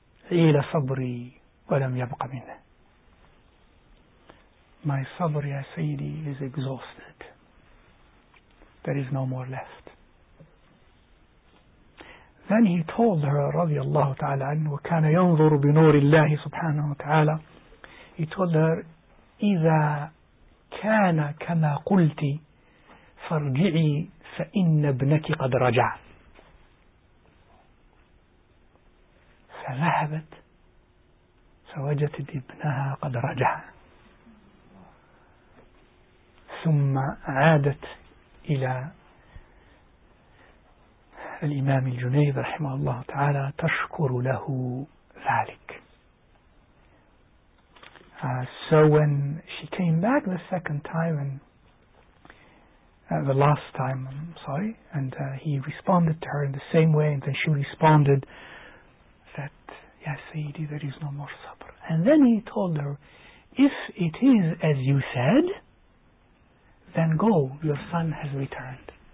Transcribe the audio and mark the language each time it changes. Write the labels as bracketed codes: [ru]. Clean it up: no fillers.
[ar] Ila sabri wa lam yabqa minhu. [en] My sabr, Ya Sayyidi, is exhausted. There is no more left." Then he told her, [ar] radiallahu ta'ala, وَكَانَ يَنْظُرُ بِنُورِ اللَّهِ سُبْحَانَهُ وَتَعَالَى. [en] He told her, [ar] "إِذَا كَانَ كَمَا قُلْتِ فَارْجِعِي فَإِنَّ ابْنَكِ قَدْ رَجَعَ." فذهبت فوجدت ابنها قد رجع. ثم عادت إلى الإمام الجنيد رحمه الله تعالى تشكر له ذلك. [en] So when she came back the second time, and the last time, I'm sorry, and he responded to her in the same way, and then she responded that, "Ya Sayyidi, there is no more sabr." And then he told her, "If it is as you said, then go, your son has returned."